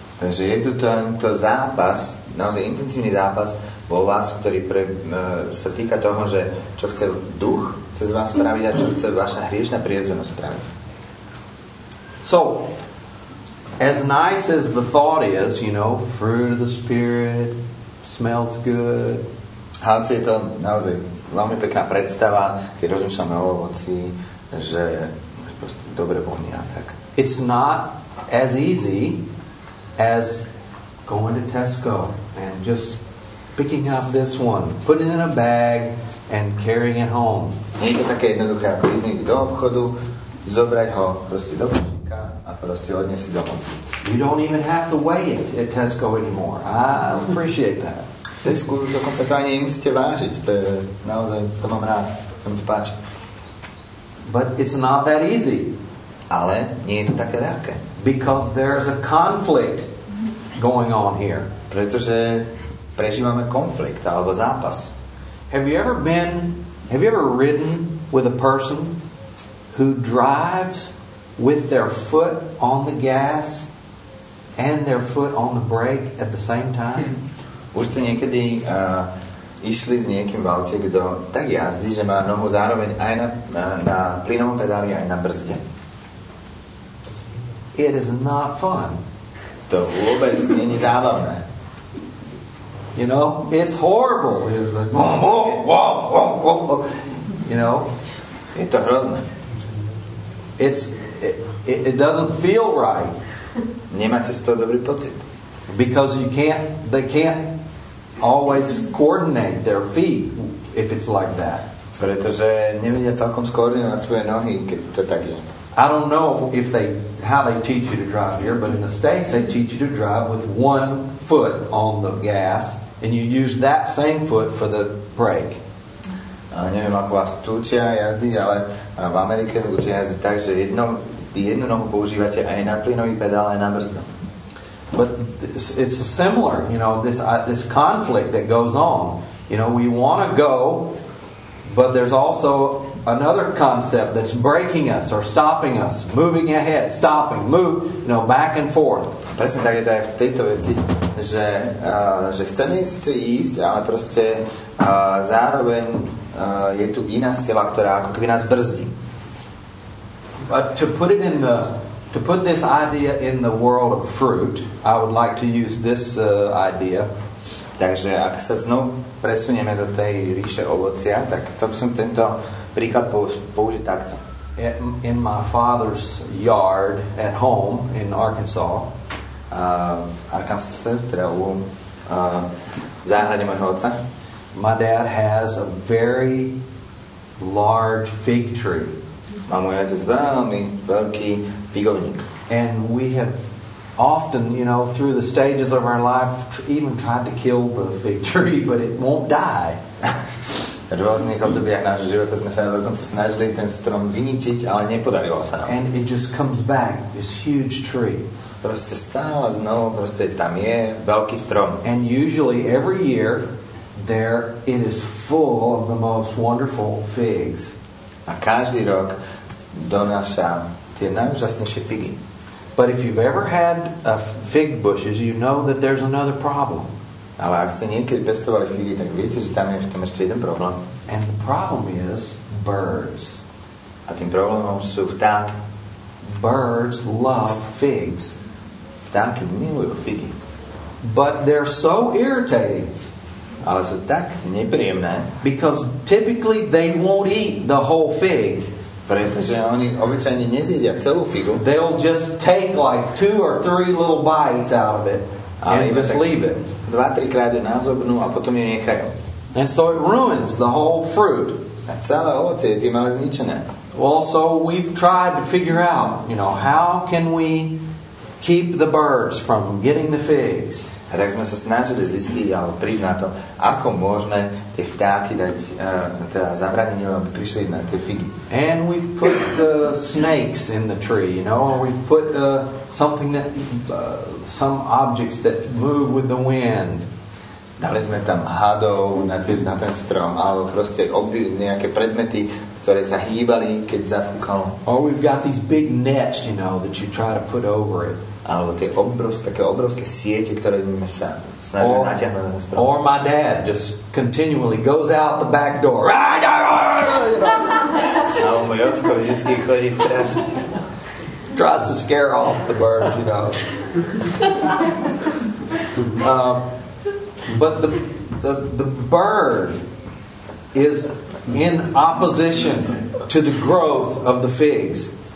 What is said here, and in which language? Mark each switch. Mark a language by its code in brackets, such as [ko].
[sk] Takže je tu tento zápas, naozaj intenzívny zápas vo vás, ktorý sa týka toho, že čo chce duch cez vás spraviť a čo chce vaša hriešna prirodzenosť spraviť. [en] So, as nice as the thought is, you know, fruit of the Spirit, smells good. [sk] Hoci je to naozaj veľmi pekná predstava, keď rozmýšľame o ovoci, že proste dobre vonia a tak. [en] It's not as easy as going to Tesco and just picking up this one, putting it in a bag and carrying it home. [sk] Nie je to také jednoduché ako ísť niekde do obchodu, zobrať ho proste do košíka a proste odniesť si domov. [en] You don't even have to weigh it at Tesco anymore. I appreciate that. [sk] Tesco už dokonca to ani musíte vážiť. To je naozaj, to mám rád. To mi sa páči. [en] But it's not that easy. [sk] Ale nie je to také ľahké. [en] Because there's a conflict going on here. [sk] Pretože prežívame konflikt alebo zápas. [en] Have you ever ridden with a person who drives with their foot on the gas and their foot on the brake at the same time? [sk] Už ste niekedy išli s niekým v aute, kto tak jazdí, že má nohu zároveň aj na plynovom pedáli, aj na brzde? [en] It is not fun. [sk] To vôbec nie je zábavné. [en] You know, it's horrible. It's like, whoa, whoa, whoa, whoa, whoa. You know? [sk] Je to hrozné. [en] It doesn't feel right. [sk] Nemáte z toho dobrý pocit. [en] Because they can't always coordinate their feet if it's like that. [sk] Pretože nevedia celkom skoordinovať svoje nohy, keď to tak je. [en] I don't know if they how they teach you to drive here, but in the States they teach you to drive with one foot on the gas and you use that same foot for the brake. [sk] Neviem, ako vás tu učia jazdy, ale v Amerike učia jazdy tak, že jednu nohu používate aj na plynový pedál, aj na brzdu. [en] But it's similar, you know, this conflict that goes on. You know, we want to go, but there's also another concept that's breaking us or stopping us, moving ahead, stopping, move, you know, back and forth. [sk] Presne tak je to aj v tejto veci, že chceme síce ísť, ale proste zároveň je tu iná sila, ktorá ako keby nás brzdí. [en] But to put it in the to put this idea in the world of fruit, I would like to use this idea. [sk] Takže ak sa znovu presunieme do tej ríše ovocia, tak chcel by som tento príklad použiť takto. [en] In my father's yard at home in Arkansas. [sk] Arkansas, teda u záhrade mojho otca. [en] My dad has a very large fig tree. [sk] A môj otec veľmi veľký figovník. [en] And we have often, you know, through the stages of our life, even tried to kill the fig tree, but it won't die. [sk] V rôznych obdobiach nášho života sme sa dokonca snažili ten strom vyničiť, ale nepodarilo sa nám. [en] And it just comes back, this huge tree. [sk] Proste stále znovu, proste tam je veľký strom. [en] And usually every year, there it is full of the most wonderful figs. [sk] A každý rok donáša tie najúžasnejšie figy. [en] But if you've ever had a fig bushes, you know that there's another problem. [sk] Ale ak ste niekedy pestovali figy, tak viete, že tam je tam ešte jeden problém. [en] And the problem is birds. [sk] A tým problémom sú vtáky. [en] Birds love figs. [sk] Vtáky milujú figy. [en] But they're so irritating. [sk] Ale sú tak nepríjemné. [en] Because typically they won't eat the whole fig. [sk] Pretože oni obyčajne nezjedia celú figu. [en] They'll just take like two or three little bites out of it and just leave it. [sk] Dva, tri krát ju nazobnú a potom ju nechajú. [en] And so it ruins the whole fruit. [sk] A celé ovocie je tým ale zničené. [en] Well, so we've tried to figure out, you know, how can we keep the birds from getting the figs? [sk] A tak sme sa snažili zistiť, ale prísť na to, ako možné tie vtáky dať, teda zabraniť, aby prišli na tie figy. [en] And we've put the snakes in the tree, you know, we've put something that, some objects that move with the wind. [sk] Dali sme tam hadov na, na ten strom, alebo proste nejaké predmety, ktoré sa hýbali, keď zafúkalo. [en] Or we've got these big nets, you know, that you try to put over it. [sk] Alebo tie obrovské siete, ktoré sme sa snažili natiahnuť na strom. [en] Or my dad just continually goes out the back door. [sk] Alebo môj ocko vždycky chodí strašne. [en] Tries to scare off the birds, you know. But the bird is in opposition to the growth of the figs.